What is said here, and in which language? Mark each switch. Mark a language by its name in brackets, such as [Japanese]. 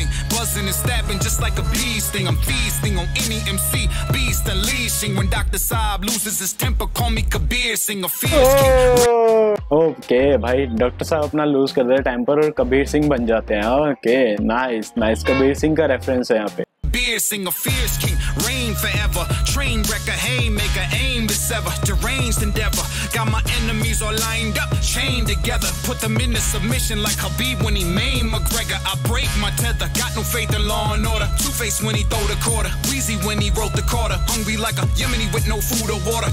[English] Buzzing and stabbing just like a bee sting. I'm feasting on any MC beast unleashing. When Dr. Saab loses his temper, call me Kabir Singh, a fierce king. Okay, bhai, Dr. [Hindi] Saab अपना lose कर रहे temper और Kabir Singh बन जाते हैं। [English] Okay, nice, nice. [Hindi] Kabir Singh का reference है यहाँ पे. [English] Beer sing a fierce king, reign forever. Train wreck a haymaker, aim to sever. Deranged endeavor, got my enemies all lined up, chained together. Put them into submission like Habib when he maimed McGregor. I break my tether, got no faith in law and order. Two-faced when he throw the quarter, wheezy when he wrote the quarter. Hungry like a Yemeni with no food or water.